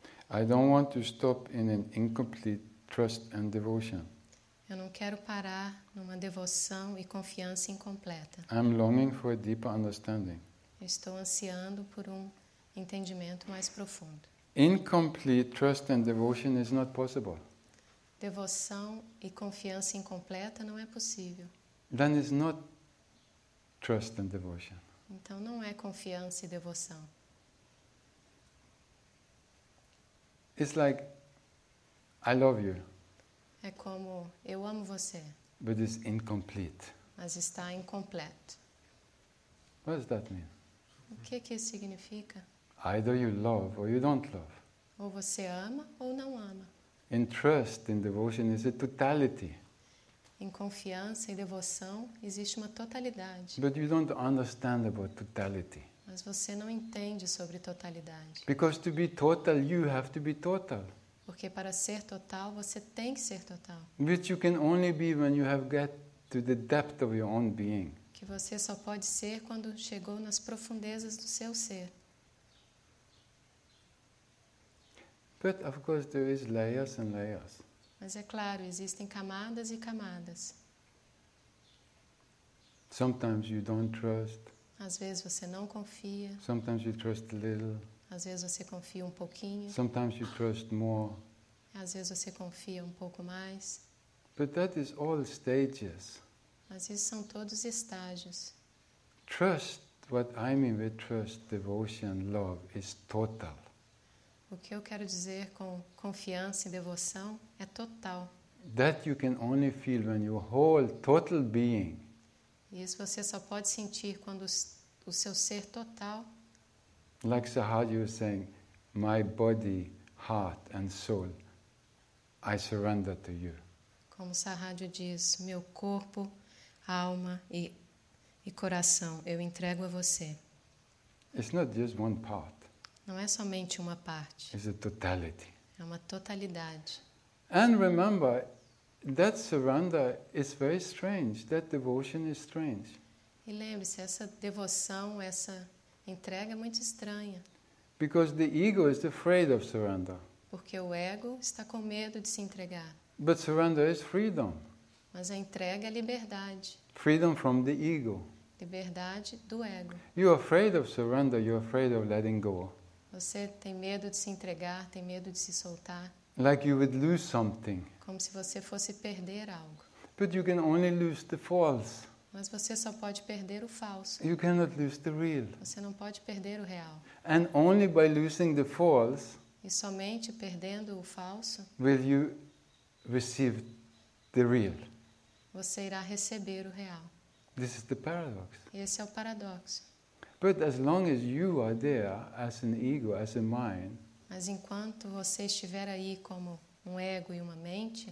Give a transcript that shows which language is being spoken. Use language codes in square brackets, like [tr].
[en] I don't want to stop in an incomplete trust and devotion. [pt] Eu não quero parar numa devoção e confiança incompleta. [en] I'm longing for a deeper understanding. [pt] Estou ansiando por um entendimento mais profundo. [en] Incomplete trust and devotion is not possible. [pt] Devoção e confiança incompleta não é possível. [en] Then it's not trust and devotion. [pt] Então não é confiança e devoção. [en] It's like I love you. [pt] É como eu amo você. [en] But it's incomplete. [pt] mas está incompleto. [en] What does that mean? [pt] O que que isso significa? [en] Either you love or you don't love. [pt] Ou você ama ou não ama. [en] In trust, in devotion, is a totality. [pt] Em confiança e devoção existe uma totalidade. [en] But you don't understand about totality. [pt] Mas você não entende sobre totalidade. [en] Because to be total, you have to be total. [pt] Porque para ser total, você tem que ser total. [en] Which you can only be when you have got to the depth of your own being. [pt] Que você só pode ser quando chegou nas profundezas do seu ser. [en] But of course there is layers and layers. [pt] Mas é claro, existem camadas e camadas. [en] Sometimes you don't trust. [pt] Às vezes você não confia. [en] Sometimes you trust a little. [pt] Às vezes você confia um pouquinho. [en] Sometimes you trust more. [pt] Às vezes você confia um pouco mais. [en] But that is all stages. [pt] Mas isso são todos estágios. [en] Trust, what I mean with trust, devotion, love, is total. [pt] O que eu quero dizer com confiança e devoção é total. [en] That you can only feel when your whole total being. [pt] Isso você só pode sentir quando o seu ser total. [en] Like Sahaja was saying, my body, heart and soul, I surrender to you. [pt] Como Sahaja diz, meu corpo, alma e coração, eu entrego a você. [en] It's not just one part. [pt] Não é somente uma parte. [en] It's a totality. [pt] É uma totalidade. [en] And remember, that surrender is very strange. That devotion is strange. [pt] E lembre-se, essa devoção, essa entrega é muito estranha. [en] Because the ego is afraid of surrender. [pt] Porque o ego está com medo de se entregar. [en] But surrender is freedom. [pt] Mas a entrega é liberdade. [en] Freedom from the ego. [pt] Liberdade do ego. [en] You're afraid of surrender, you're afraid of letting go. [pt] Você tem medo de se entregar, tem medo de se soltar. [en] Like you would lose something. [pt] Como se você fosse perder algo. [en] But you can only lose the false. [pt] Mas você só pode perder o falso. [en] You cannot lose the real. [pt] Você não pode perder o real. [en] And only by losing the false. [pt] E somente perdendo o falso. [en] Will you receive the real. [pt] Você irá receber o real. [en] This is the paradox. [pt] Esse é o paradoxo. [en] But as long as you are there as an ego, as a mind, [pt] mas enquanto você estiver aí como um ego e uma mente,